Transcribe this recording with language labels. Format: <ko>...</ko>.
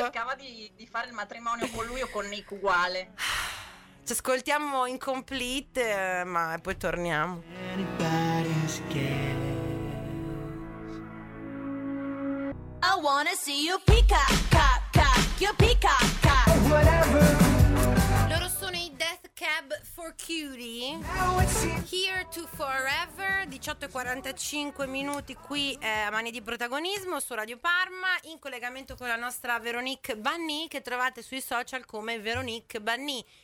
<it>Cercava di fare il matrimonio con lui o con Nick uguale. Ci ascoltiamo Incomplete, ma poi torniamo.</it> <en>I wanna see you peacock, you peacock, whatever.</en> <it>Loro sono i Death Cab for Cutie. Here to Forever. 18:45 minuti qui a Mani di Protagonismo su Radio Parma, in collegamento con la nostra Veronique Banni, che trovate sui social come Veronique Banni.</it>